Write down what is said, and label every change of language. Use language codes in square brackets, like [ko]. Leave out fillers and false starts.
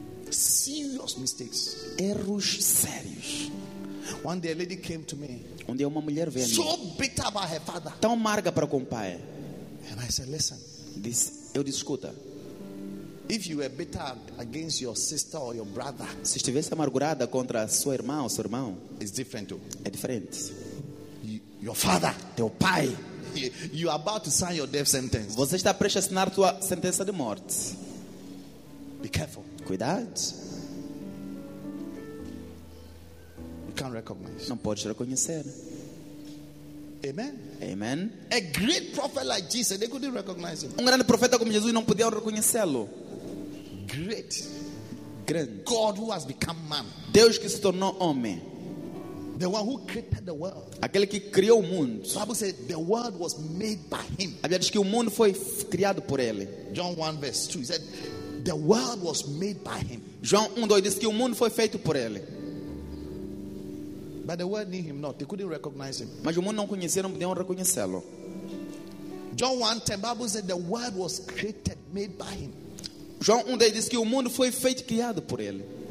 [en] Serious mistakes. [pt] Erros sérios. [en] One day a lady came to me. [pt] Um dia uma mulher veio. [en] So bitter about her father. [pt] Tão amarga para com o pai. [en] And I said, listen. [pt] Eu disse, escuta. [en] If you were bitter against your sister or your brother, [pt] se estivesse amargurada contra sua irmã ou seu irmão, [en] it's different too. [pt] É diferente. [en] Your father, [pt] teu pai. [en] You are about to sign your death sentence. [pt] Você está prestes a assinar tua sentença de morte. [en] Be careful. [pt] Cuidado. [en] Can't recognize. [pt] Não pode reconhecer. [en] Amen. [pt] Amen. [en] A great prophet like Jesus, they couldn't recognize him. [pt] Um grande profeta como Jesus não podia reconhecê-lo. [en] Great. [pt] Grande. [en] God who has become man. [pt] Deus que se tornou homem. [en] The one who created the world. [pt] Aquele que criou o mundo. [en] The Bible said the world was made by him. [pt] A Bíblia diz que o mundo foi criado por ele. [en] John 1 verse 2 said the world was made by him. [pt] João 1:2 diz que o mundo foi feito por ele. [en] But the world knew him not. They couldn't recognize him. [pt] Mas o mundo não conhecia, não podiam reconhecê-lo. [en] John 1:10, Bible said the world was created, made by him. [pt] João 1:10 diz que o mundo foi feito, criado por ele.